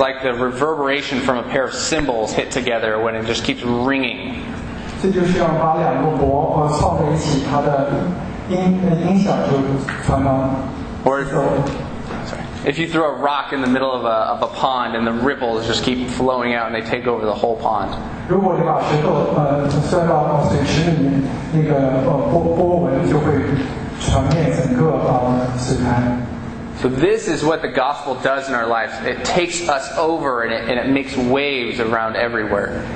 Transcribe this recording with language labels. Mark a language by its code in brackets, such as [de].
[en] like the reverberation from a pair of cymbals hit together when it just keeps ringing. [zh] 这就是要把两个钹串在一起，它的音响就传到。 [en] Or if you throw a rock in the middle of a pond and the ripples just keep flowing out and they take over the whole pond. [zh] 如果你把石头摔到水池里面，那个波纹就会传遍整个水潭。 [en] So this is what the gospel does in our lives. It takes us over and it makes waves around everywhere.